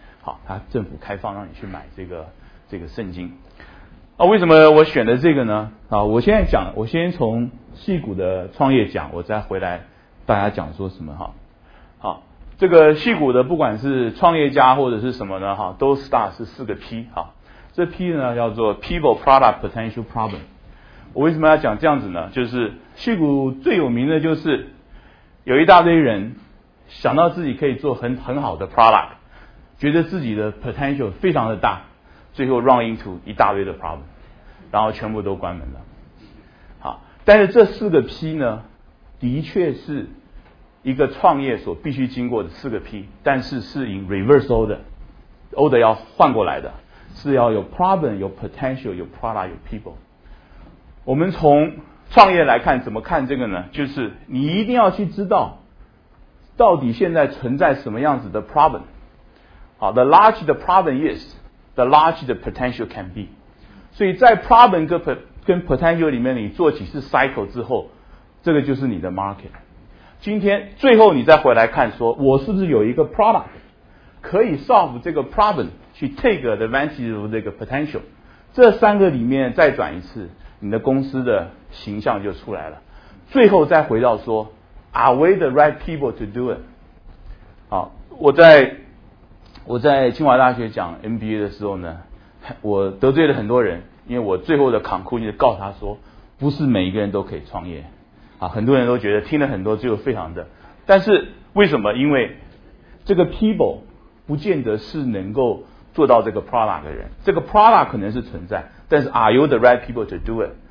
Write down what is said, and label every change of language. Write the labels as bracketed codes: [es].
[zh] 好，他政府开放让你去买这个圣经。啊，为什么我选的这个呢？啊，我现在讲，我先从矽谷的创业讲，我再回来大家讲说什么哈。好，这个矽谷的不管是创业家或者是什么呢哈，都 start 是四个 P 哈。这 P 呢叫做 [en] People Product Potential Problem。 [zh] 我为什么要讲这样子呢？就是矽谷最有名的就是有一大堆人想到自己可以做很好的 product， 觉得自己的 potential 非常的大，最后 [en] run into [zh] 一大堆的 problem， 然后全部都关门了。好，但是这四个 P 呢的确是一个创业所必须经过的四个 P， 但是 [en] in reverse order [zh] 要换过来的，是要有 problem， 有 potential， 有 product， 有 people。我们从创业来看，怎么看这个呢？就是你一定要去知道到底现在存在什么样子的 problem。 [en] 好， the large the problem is the large the potential can be。 [zh] 所以在 problem 跟 potential 里面你做几次 cycle 之后，这个就是你的 market。今天最后你再回来看说，我是不是有一个 product 可以 solve 这个 problem 去 [en] take advantage of [zh] 这个 potential， 这三个里面再转一次，你的公司的形象就出来了。最后再回到说 [en] Are we the right people to do it？ [zh] 好，我在清华大学讲 MBA 的时候呢，我得罪了很多人，因为我最后的 conclusion 就告诉他说，不是每一个人都可以创业啊。很多人都觉得听了很多就非常的，但是为什么？因为这个 people 不见得是能够做到这个 product 的人，这个 product 可能是存在，但是 [en] are you the right people to do it?